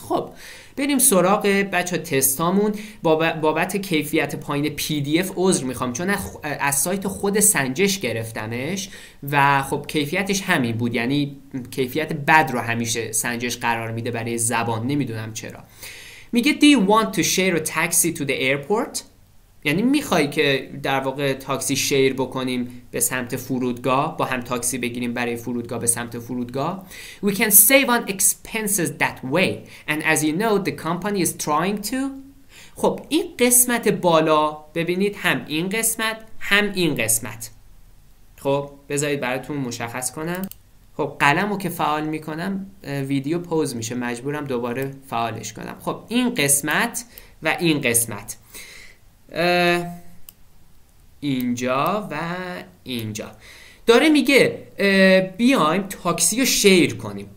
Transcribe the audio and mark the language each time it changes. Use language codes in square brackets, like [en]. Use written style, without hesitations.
[fa] خب بریم سراغ بچه تستامون. بابت کیفیت پایین پی دی اف عذر میخوام، چون از سایت خود سنجش گرفتمش و خب کیفیتش همین بود، یعنی کیفیت بد رو همیشه سنجش قرار میده برای زبان، نمیدونم چرا. میگه [en] Do you want to share a taxi to the airport؟ [fa] یعنی میخوای که در واقع تاکسی شیر بکنیم به سمت فرودگاه، با هم تاکسی بگیریم برای فرودگاه به سمت فرودگاه. [en] We can save on expenses that way and as you know the company is trying to. [fa] خب این قسمت بالا ببینید، هم این قسمت هم این قسمت. خب بذارید براتون مشخص کنم. خب قلمو که فعال میکنم ویدیو پوز میشه، مجبورم دوباره فعالش کنم. خب این قسمت و این قسمت، اینجا و اینجا داره میگه بیایم تاکسی رو شیر کنیم.